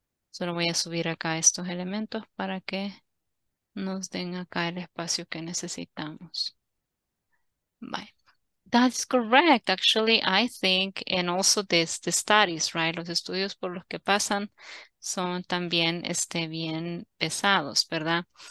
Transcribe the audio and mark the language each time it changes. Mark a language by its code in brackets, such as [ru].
[es] Solo voy a subir acá estos elementos para que nos den acá el espacio que necesitamos. [en] Bye. That's correct. Actually, I think, and also the studies, right? [es] Los estudios por los que pasan son también bien pesados, ¿verdad?